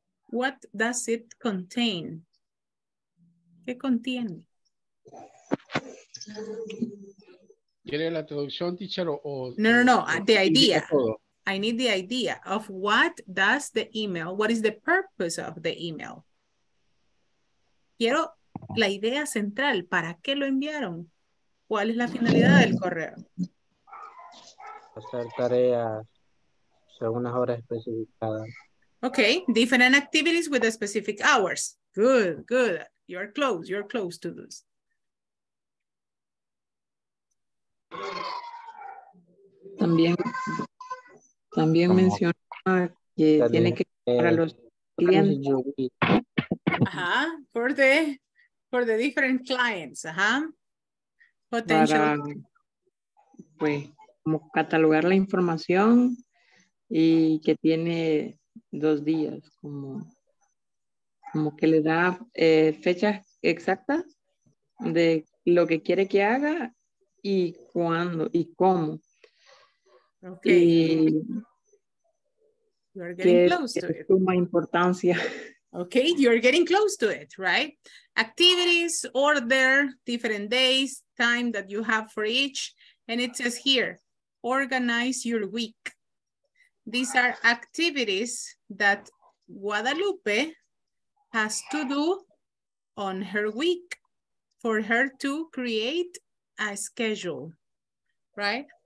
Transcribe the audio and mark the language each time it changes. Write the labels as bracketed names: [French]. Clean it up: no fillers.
[English] What does it contain? [Spanish] ¿Qué contiene? ¿Quiere la traducción, teacher, o? [English] No, no, no, the idea. I need the idea of what does the email, what is the purpose of the email? [Spanish] Quiero la idea central, ¿para qué lo enviaron? ¿Cuál es la finalidad del correo? Hacer tareas según unas horas especificadas. [English] Okay, different activities with the specific hours. Good, good. You're close to this. [Spanish] También, también menciona que tiene que para los clientes. Ajá, por de... [English] For the different clients, uh-huh. Potential. [Spanish] Para, pues, como catalogar la información y que tiene dos días, como, como que le da fecha exacta de lo que quiere que haga y cuándo y cómo. [English] Okay. Y you are getting close to it. [Spanish] Suma importancia. [English] Okay, you're getting close to it, right? Activities, order, different days, time that you have for each. And it says here, organize your week. These are activities that Guadalupe has to do on her week for her to create a schedule, right?